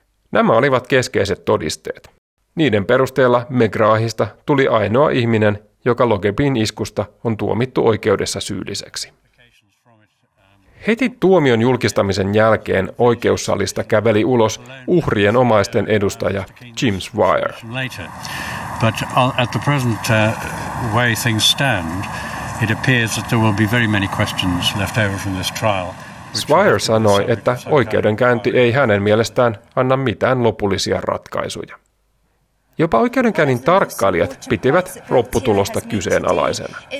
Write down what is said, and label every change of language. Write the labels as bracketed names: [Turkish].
[Finnish] Nämä olivat keskeiset todisteet. Niiden perusteella Megrahista tuli ainoa ihminen, joka Logebin iskusta on tuomittu oikeudessa syylliseksi. Heti tuomion julkistamisen jälkeen oikeussalista käveli ulos uhrien omaisten edustaja Jim Swire. [English] But at the present way things stand, it appears that there will be very many questions left over from this trial. [Finnish] Swire sanoi, että oikeudenkäynti ei hänen mielestään anna mitään lopullisia ratkaisuja. Jopa oikeudenkäynnin tarkkailijat pitivät lopputulosta kyseenalaisena.